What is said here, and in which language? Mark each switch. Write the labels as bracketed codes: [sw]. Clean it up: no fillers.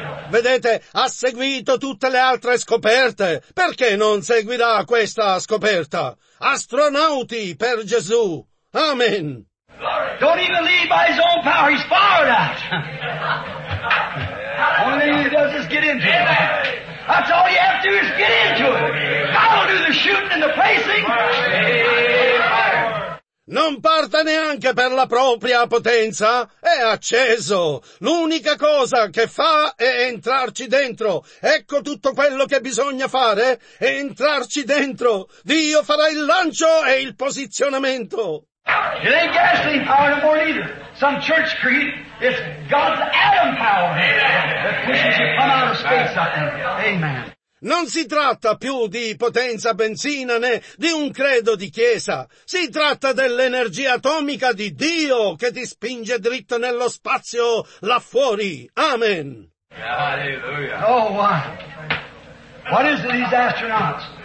[it] Vedete, ha seguito tutte le altre scoperte. Perché non seguirà questa scoperta? Astronauti per Gesù. Amen. [en] Don't even leave by his own power. He's followed us. Only thing he does is get into it. That's all you have to do is get into it. God will do the shooting and the pacing. [it] Non parta neanche per la propria potenza, è acceso. L'unica cosa che fa è entrarci dentro. Ecco tutto quello che bisogna fare, è entrarci dentro. Dio farà il lancio e il posizionamento. [en] It ain't gasoline power no more either. Some church creed, it's God's atom power that pushes you from outer space out there. Amen. [it] Non si tratta più di potenza benzina né di un credo di chiesa. Si tratta dell'energia atomica di Dio che ti spinge dritto nello spazio là fuori. Amen. Hallelujah. [en] Oh, what is it, these astronauts?